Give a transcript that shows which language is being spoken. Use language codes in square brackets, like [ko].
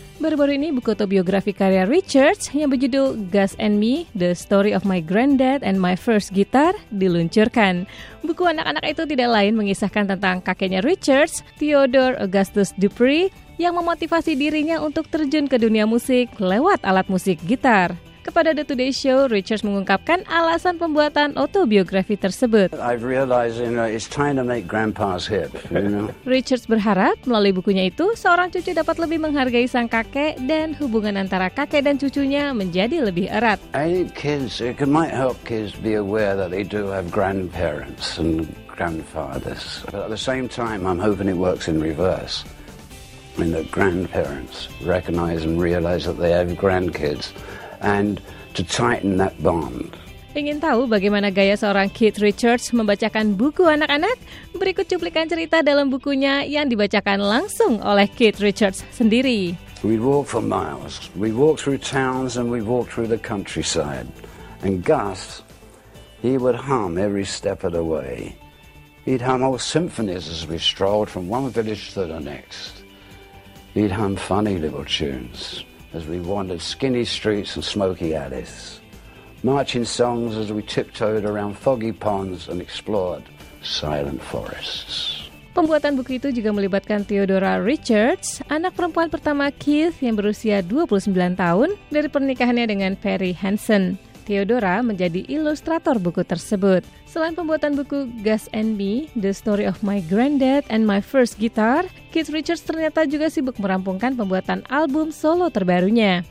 [id] Baru-baru ini buku autobiografi karya Richards yang berjudul Gus and Me, The Story of My Granddad and My First Guitar diluncurkan. Buku anak-anak itu tidak lain mengisahkan tentang kakeknya Richards, Theodore Augustus Dupree, yang memotivasi dirinya untuk terjun ke dunia musik lewat alat musik gitar. Kepada The Today Show, Richards mengungkapkan alasan pembuatan autobiografi tersebut. [en] I've realized, you know, it's time to make grandpa's hip, you know? [id] Richards berharap melalui bukunya itu, seorang cucu dapat lebih menghargai sang kakek dan hubungan antara kakek dan cucunya menjadi lebih erat. [en] I think kids, it might help kids be aware that they do have grandparents and grandfathers. But at the same time, I'm hoping it works in reverse. I mean, that grandparents recognize and realize that they have grandkids. And to tighten that bond. [id] Ingin tahu bagaimana gaya seorang Keith Richards membacakan buku anak-anak? Berikut cuplikan cerita dalam bukunya yang dibacakan langsung oleh Keith Richards sendiri. [en] We walk for miles. We walk through towns and we walk through the countryside. And Gus, he would hum every step of the way. He'd hum old symphonies as we strolled from one village to the next. He'd hum funny little tunes. As we wandered skinny streets and smoky alleys, marching songs as we tiptoed around foggy ponds and explored silent forests. [id] Pembuatan buku itu juga melibatkan Theodora Richards, anak perempuan pertama Keith yang berusia 29 tahun dari pernikahannya dengan Perry Hansen. Theodora menjadi ilustrator buku tersebut. Selain pembuatan buku Gus and Me, The Story of My Granddad and My First Guitar, Keith Richards ternyata juga sibuk merampungkan pembuatan album solo terbarunya.